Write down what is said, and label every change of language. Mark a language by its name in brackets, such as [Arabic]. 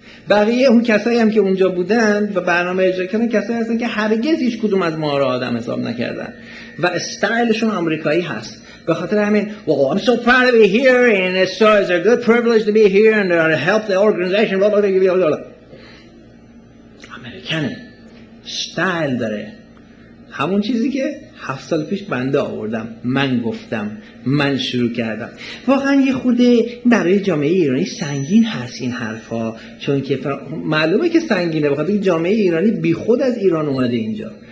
[Persian] بقیه اون کسایی هم که اونجا بودن و برنامه اجرا کردن کسایی هستن که هرگز هیچ کدوم از ما رو آدم حساب نکردن و استایلشون آمریکایی هست. به خاطر همین [English] well, I'm so proud to be here and it's a good privilege to be here and to help the organization blah, blah, blah, blah. [Persian] امریکنه، استایل داره، همون چیزی که 7 سال پیش بنده آوردم، من گفتم، من شروع کردم. واقعا یه خورده برای جامعه ایرانی سنگین هست این حرفا، چون که معلومه که سنگینه، بخاطر جامعه ایرانی بی خود از ایران اومده اینجا.